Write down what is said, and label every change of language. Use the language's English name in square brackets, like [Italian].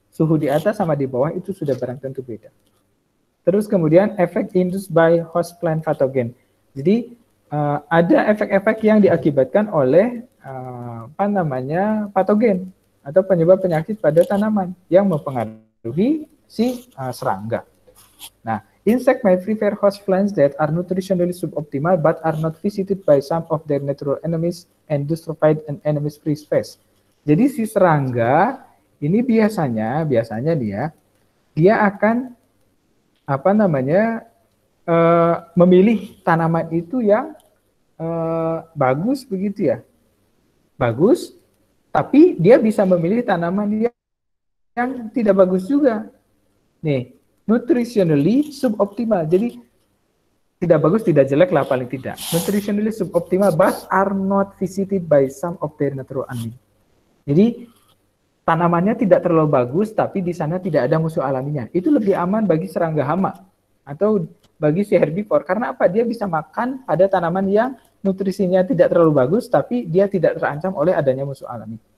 [Indonesian] suhu di atas sama di bawah itu sudah barang tentu beda. Terus kemudian efek [English] induced by host plant pathogen. [Indonesian] Jadi ada efek-efek yang diakibatkan oleh apa namanya patogen atau penyebab penyakit pada tanaman yang mempengaruhi si serangga. [English] Nah, insect may prefer host plants that are nutritionally suboptimal but are not visited by some of their natural enemies and destroyed an enemy's free space. [Indonesian] Jadi si serangga ini biasanya dia akan apa namanya memilih tanaman itu yang bagus begitu ya. Bagus, tapi dia bisa memilih tanaman yang tidak bagus juga. Nih, [English] nutritionally suboptimal. [Indonesian] Jadi tidak bagus, tidak jelek lah paling tidak. [English] Nutritionally suboptimal but are not visited by some of their natural enemies. [Indonesian] Jadi tanamannya tidak terlalu bagus tapi di sana tidak ada musuh alaminya. Itu lebih aman bagi serangga hama atau bagi si herbivore. Karena apa? Dia bisa makan pada tanaman yang nutrisinya tidak terlalu bagus tapi dia tidak terancam oleh adanya musuh alami.